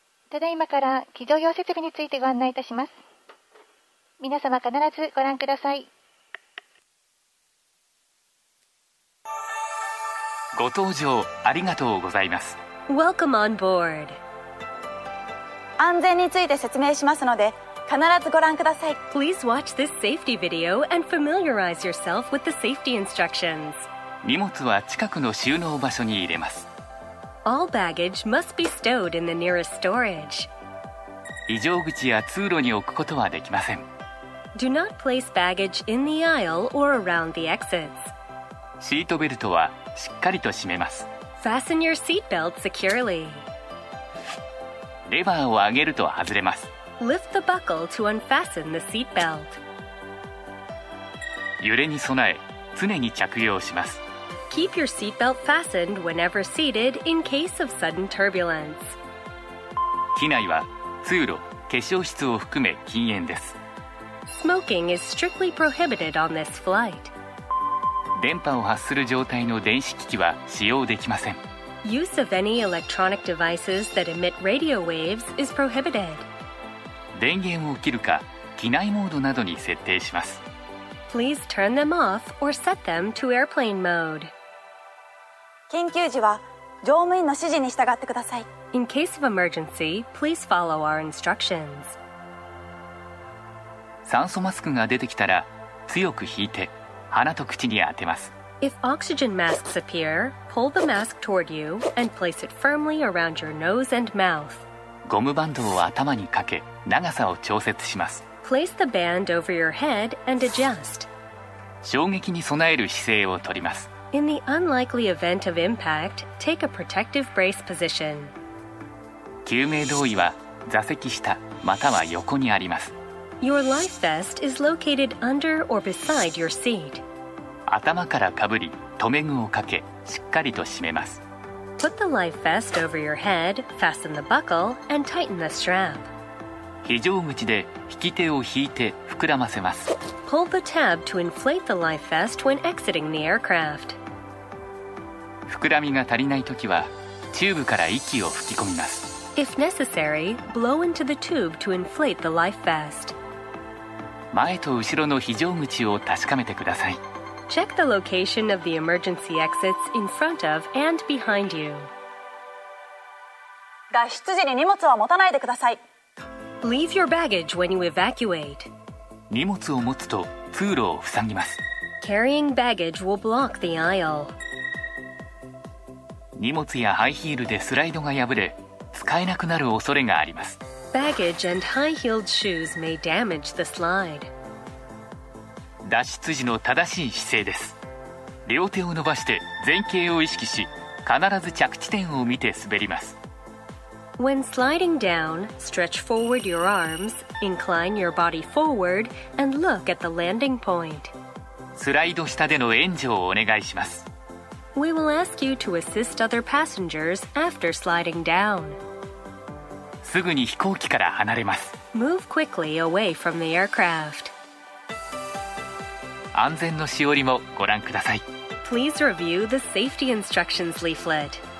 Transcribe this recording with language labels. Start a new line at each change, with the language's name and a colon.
Japanese: ただいまから機上用設備についてご案内いたします。皆様必ずご覧ください。ご搭乗ありがとうございます。
English: Welcome on board.
Japanese: 安全について説明しますので、必ずご覧ください。
English: Please watch this safety video and familiarize yourself with the safety instructions.
Japanese: 荷物は近くの収納場所に入れます。
English: All baggage must be stowed in the nearest storage.
Japanese: 非常口や通路に置くことはできません。
English: Do not place baggage in the aisle or around the exits.
Japanese: シートベルトはしっかりと締めます。
English: Fasten your seat belt securely.
Japanese: レバーを上げると外れます。
English: Lift the buckle to unfasten the seat belt.
Japanese: 揺れに備え、常に着用します。
English: Keep your seat belt fastened whenever seated in case of sudden turbulence.
Japanese: 機内は通路、化粧室を含め禁煙です。
English: Smoking is strictly prohibited on this flight.
Japanese: 電波を発する状態の電子機器は使用できません。
English: Use of any electronic devices that emit radio waves is prohibited.
Japanese: 電源を切るか、機内モードなどに設定します。
English: Please turn them off or set them to airplane mode.
Japanese: 緊急時は、乗務員の指示に従ってください。
English: In case of emergency, please follow our instructions.
Japanese: 酸素マスクが出てきたら、強く引いて、鼻と口に当てます。
English: If oxygen masks appear, pull the mask toward you and place it firmly around your nose and mouth.
Japanese: ゴムバンドを頭にかけ、長さを調節します。
English: place the band over your head and adjust.
Japanese: 衝撃に備える姿勢をとります。
English: In the unlikely event of impact, take a protective brace position.
Japanese: 救命胴衣は座席下または横にあります。
English: Your life vest is located under or beside your seat.
Japanese: 頭からかぶり、留め具をかけ、しっかりと締めます。
English: Put the life vest over your head, fasten the buckle, and tighten the strap.
Japanese: 非常口で引き手を引いて膨らませます。
English: Pull the tab to inflate the life vest when exiting the aircraft.
Japanese: 膨らみが足りないときは、チューブから息を吹き込みます。
English: If necessary, blow into the tube to inflate the life vest.
Japanese: 前と後ろの非常口を確かめてください。
English: Check the location of the emergency exits in front of and behind you.
Japanese: 脱出時に荷物は持たないでください。
English: Leave your baggage when you evacuate.
Japanese: 荷物を持つと通路を塞ぎます。
English: Carrying baggage will block the aisle.
Japanese: 荷物やハイヒールでスライドが破れ、使えなくなる恐れがあります。
English: Baggage and high-heeled shoes may damage the slide.
Japanese: 脱出時の正しい姿勢です。両手を伸ばして前傾を意識し、必ず着地点を見て滑ります。
English: When sliding down, stretch forward your arms, incline your body forward, and look at the landing point.
Japanese: スライド下での援助をお願いします。
English: We will ask you to assist other passengers after sliding down.
Japanese: すぐに飛行機から離れます。
English: Move quickly away from the aircraft.
Japanese: 安全のしおりもご覧ください。
English: Please review the safety instructions leaflet.